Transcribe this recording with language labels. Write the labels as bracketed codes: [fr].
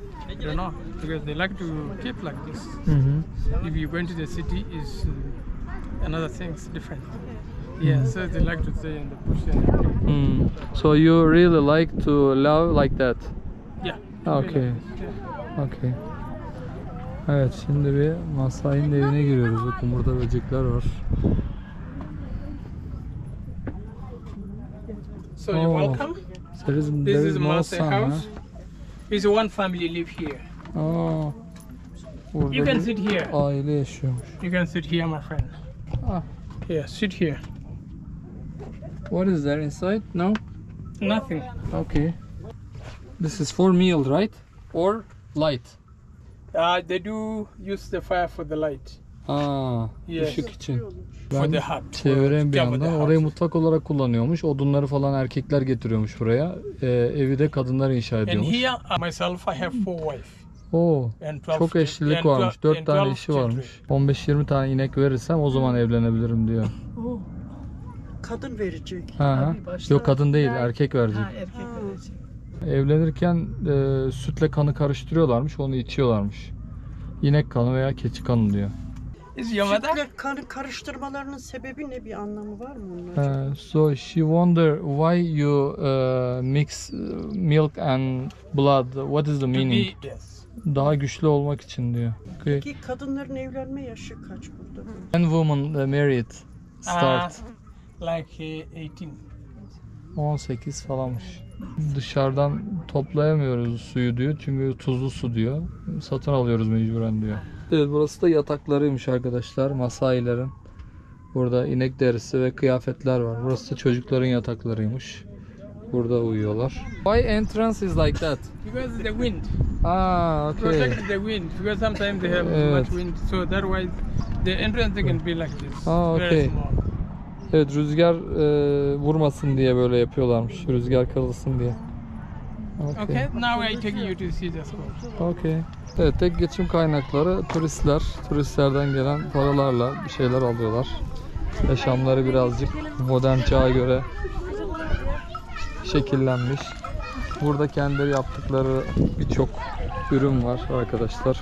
[en] I don't know, because they like to keep like this. Mm-hmm. If you go into the city, is another thing, different. Yeah, so they like to stay in the bush. So you really like to love like that? Yeah. Okay. Okay. [tr] Evet, şimdi bir Masai'nin evine giriyoruz. Bakın burada böcekler var. [en] So you're welcome. There is, this is Masai house. Ha? It's one family live here. Oh. You can sit here. [tr] Aile yaşıyormuş. [en] You can sit here, my friend. Ah. Yeah, sit here. What is there inside? No? Nothing. Okay. This is for meal, right? Or light? They do use the fire for the light. Ah, yes. [tr] Işık için. [en] Ben for the hut. [tr] Çevireyim bir yandan. Orayı mutfak olarak kullanıyormuş. Odunları falan erkekler getiriyormuş buraya. Evi de kadınlar inşa ediyormuş. [en] And here, myself, I have four wife. [tr] Oh, çok eşlilik varmış. 4 tane eşi varmış. 15-20 tane inek verirsem o zaman evlenebilirim diyor. Kadın verecek. Başta... Yok, kadın değil, erkek verecek. Erkek verecek. Evlenirken sütle kanı karıştırıyorlarmış, onu içiyorlarmış. İnek kanı veya keçi kanı diyor. Sütle kanı karıştırmalarının sebebi ne, bir anlamı var mı onun? [en] So she wonder why you mix milk and blood. What is the meaning? To be, yes. [tr] Daha güçlü olmak için diyor. Peki kadınların evlenme yaşı kaç burada? When woman married start? Like 18. 18 falanmış. Dışarıdan toplayamıyoruz suyu diyor. Çünkü tuzlu su diyor. Satın alıyoruz mecburen diyor. Evet, burası da yataklarıymış arkadaşlar. Masailerin. Burada inek derisi ve kıyafetler var. Burası da çocukların yataklarıymış. Burada uyuyorlar. [en] Why entrance is like that? Because the wind. Ah, okay. Protect the wind. Because sometimes they have much wind. So that why the entrance can be like this. Ah, okay. [tr] Evet, rüzgar vurmasın diye böyle yapıyorlarmış. Rüzgar kalsın diye. [en] Okay. Now I take you to see the school. Okay. [tr] Evet, tek geçim kaynakları turistler. Turistlerden gelen paralarla bir şeyler alıyorlar. Yaşamları birazcık modern çağa göre şekillenmiş. Burada kendileri yaptıkları birçok ürün var arkadaşlar.